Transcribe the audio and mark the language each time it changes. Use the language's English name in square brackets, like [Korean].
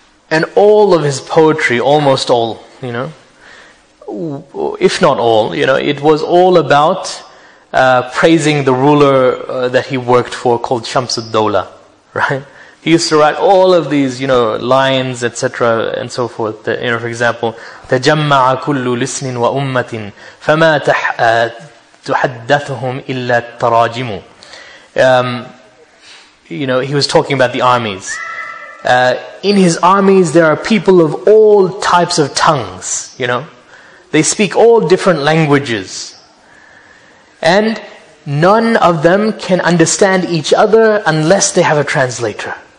[English] And all of his poetry, almost all, you know, if not all, you know, it was all about praising the ruler that he worked for called Shams ad-Dawla, right? He used to write all of these, you know, lines, etc. and so forth. That, you know, for example, [Arabic] تَجَمَّعَ كُلُّ لِسْنٍ وَأُمَّةٍ فَمَا تُحَدَّثُهُمْ إِلَّا التَّرَاجِمُ. [English] You know, he was talking about the armies. In his armies, there are people of all types of tongues, you know. They speak all different languages. And none of them can understand each other unless they have a translator.